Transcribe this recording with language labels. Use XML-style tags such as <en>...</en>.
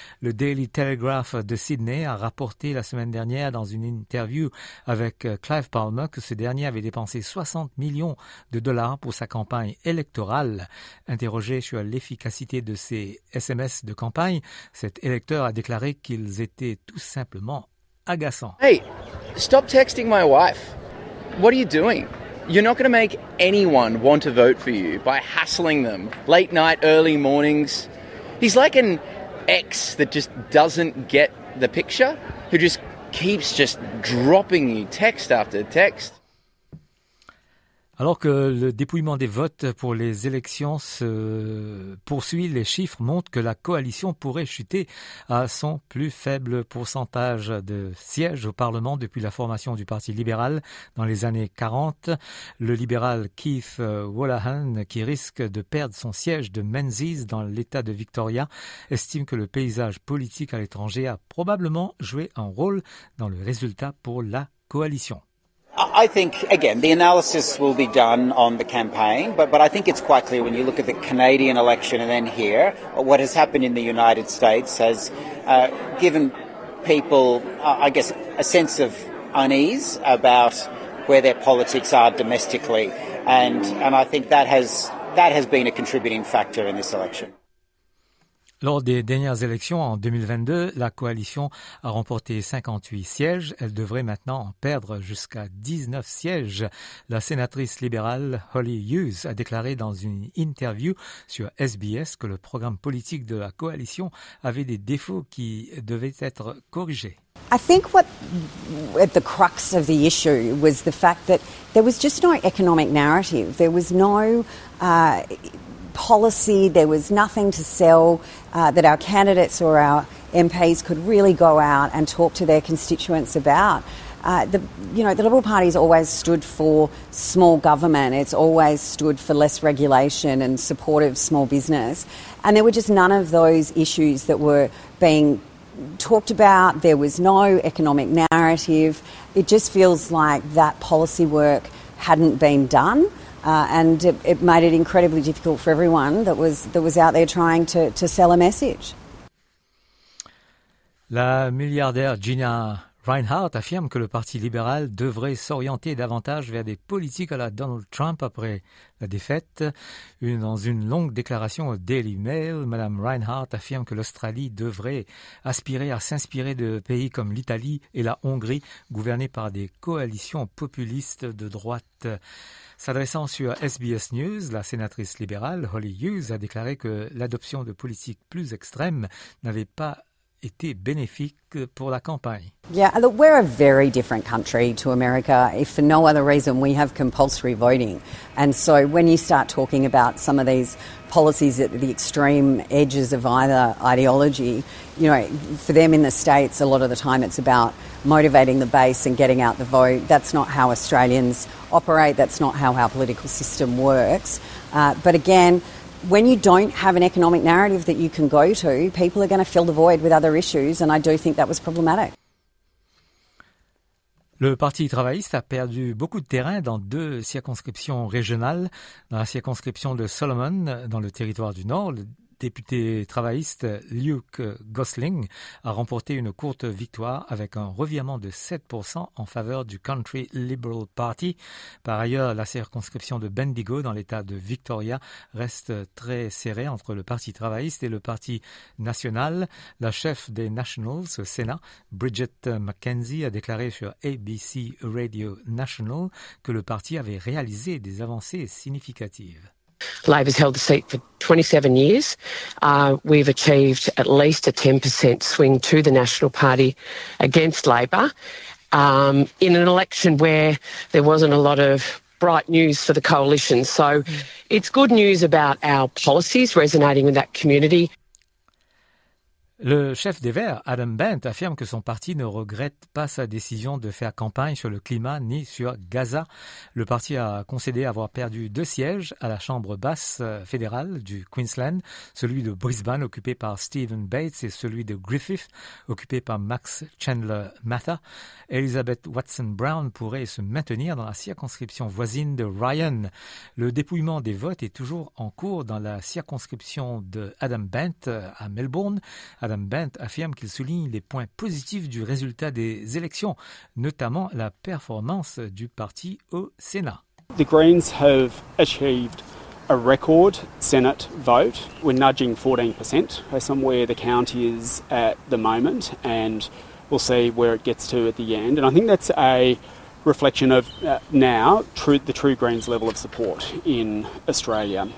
<fr>Le Daily Telegraph de Sydney a rapporté la semaine dernière dans une interview avec Clive Palmer que ce dernier avait dépensé 60 millions de dollars pour sa campagne électorale. Interrogé sur l'efficacité de ses SMS de campagne, cet électeur a déclaré qu'ils étaient tout simplement agaçants.</fr> <en>Hey, stop texting my wife. What are you doing? You're not going to make anyone want to vote for you by hassling them late night, early mornings. He's like an ex that just doesn't get the picture, who just keeps just dropping you text after text.</en> <fr>Alors que le dépouillement des votes pour les élections se poursuit, les chiffres montrent que la coalition pourrait chuter à son plus faible pourcentage de sièges au Parlement depuis la formation du Parti libéral dans les années 40. Le libéral Keith Wallahan, qui risque de perdre son siège de Menzies dans l'État de Victoria, estime que le paysage politique à l'étranger a probablement joué un rôle dans le résultat pour la coalition.</fr> <en>I think, again, the analysis will be done on the campaign, but I think it's quite clear when you look at the Canadian election and then here, what has happened in the United States has given people, I guess, a sense of unease about where their politics are domestically. And I think that has been a contributing factor in this election.</en> <fr>Lors des dernières élections en 2022, la coalition a remporté 58 sièges. Elle devrait maintenant en perdre jusqu'à 19 sièges. La sénatrice libérale Holly Hughes a déclaré dans une interview sur SBS que le programme politique de la coalition avait des défauts qui devaient être corrigés.</fr> <en>I think what at the crux of the issue was the fact that there was just no economic narrative. There was no policy, there was nothing to sell that our candidates or our MPs could really go out and talk to their constituents about. The Liberal Party's always stood for small government, it's always stood for less regulation and supportive small business. And there were just none of those issues that were being talked about, there was no economic narrative. It just feels like that policy work hadn't been done. And it made it incredibly difficult for everyone that was out there trying to sell a message.</en> <fr>La milliardaire Gina Reinhart affirme que le Parti libéral devrait s'orienter davantage vers des politiques à la Donald Trump après la défaite. Dans une longue déclaration au Daily Mail, Mme Reinhart affirme que l'Australie devrait aspirer à s'inspirer de pays comme l'Italie et la Hongrie, gouvernés par des coalitions populistes de droite. S'adressant sur SBS News, la sénatrice libérale Holly Hughes a déclaré que l'adoption de politiques plus extrêmes n'avait pas été bénéfique pour la campagne.</fr> <en>Yeah, look, we're a very different country to America. If for no other reason, we have compulsory voting. And so when you start talking about some of these policies at the extreme edges of either ideology, you know, for them in the States, a lot of the time it's about motivating the base and getting out the vote. That's not how Australians operate. That's not how our political system works. But again, when you don't have an economic narrative that you can go to, people are going to fill the void with other issues, and I do think that was problematic.</en> <fr>Le Parti travailliste a perdu beaucoup de terrain dans deux circonscriptions régionales. Dans la circonscription de Solomon, dans le territoire du Nord, le député travailliste Luke Gosling a remporté une courte victoire avec un revirement de 7% en faveur du Country Liberal Party. Par ailleurs, la circonscription de Bendigo dans l'état de Victoria reste très serrée entre le Parti travailliste et le Parti national. La chef des Nationals au Sénat, Bridget McKenzie, a déclaré sur ABC Radio National que le parti avait réalisé des avancées significatives.</fr> <en>Labor has held the seat for 27 years. We've achieved at least a 10% swing to the National Party against Labor in an election where there wasn't a lot of bright news for the coalition. So it's good news about our policies resonating with that community.</en> <fr>Le chef des Verts, Adam Bent, affirme que son parti ne regrette pas sa décision de faire campagne sur le climat ni sur Gaza. Le parti a concédé avoir perdu 2 sièges à la Chambre basse fédérale du Queensland, celui de Brisbane occupé par Stephen Bates et celui de Griffith occupé par Max Chandler Mather. Elizabeth Watson-Brown pourrait se maintenir dans la circonscription voisine de Ryan. Le dépouillement des votes est toujours en cours dans la circonscription de Adam Bent à Melbourne. Adam Bent affirme qu'il souligne les points positifs du résultat des élections, notamment la performance du parti au Sénat.</fr> <en>The Greens have achieved a record Senate vote. We're nudging 14%, somewhere the county is at the moment, and we'll see where it gets to at the end. And I think that's a reflection of the true Greens level of support in Australia.</en>